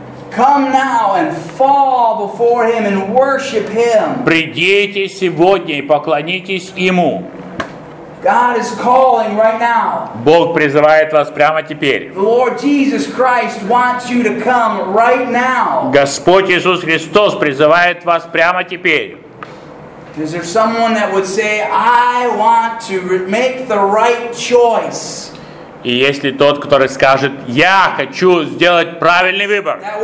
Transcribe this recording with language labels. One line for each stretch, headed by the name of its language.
English: Come now and fall before him and worship him.
Russian: Придите сегодня и поклонитесь ему.
English: God is calling right now.
Russian: Бог призывает вас прямо теперь.
English: The Lord Jesus Christ wants you to come right now.
Russian: Господь Иисус Христос призывает вас прямо теперь.
English: Is there someone that would say, I want to make the right choice?
Russian: И есть ли тот, который скажет, я хочу сделать правильный выбор?